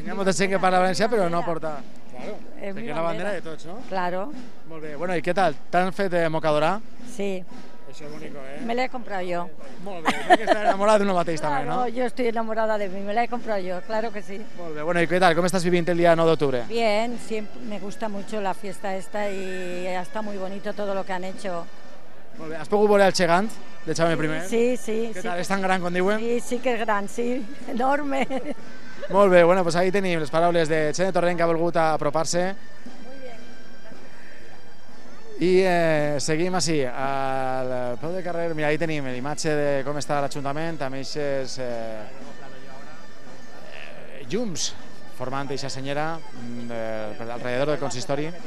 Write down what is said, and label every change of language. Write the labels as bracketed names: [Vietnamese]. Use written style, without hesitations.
[Catalan] si hi ha molta gent que parla valencià, però no porta... Claro, és la bandera. Bandera de tots, no? Claro. Molt bé. Bueno, i què tal? T'han fet de mocadora? Sí. Això és bonico, eh? Me l'he comprat jo. Molt bé, tinc que estar enamorada d'una mateixa, claro, també, no? Jo estic enamorada de mi, me l'he comprat jo, claro que sí. Molt bé, bueno, i què tal? Com estàs vivint el dia 9 d'octubre? [Spanish] Bien, sí, me gusta mucho la fiesta esta y está muy bonito todo lo que han hecho. [Catalan] Molt bé, has pogut veure el gegant de Xavi primer? Sí, sí. Què tal, sí, és tan gran com diuen? Sí, sí que és gran, sí, enorme. Molt bé, bueno, doncs [Spanish] pues ahí [Catalan] tenim les paraules de Xene Torrent, que ha volgut apropar-se. I seguim així, al peu del carrer. Mira, ahí tenim l'imatge de com està l'Ajuntament, amb aixes llums formant aixa senyera alrededor del consistori.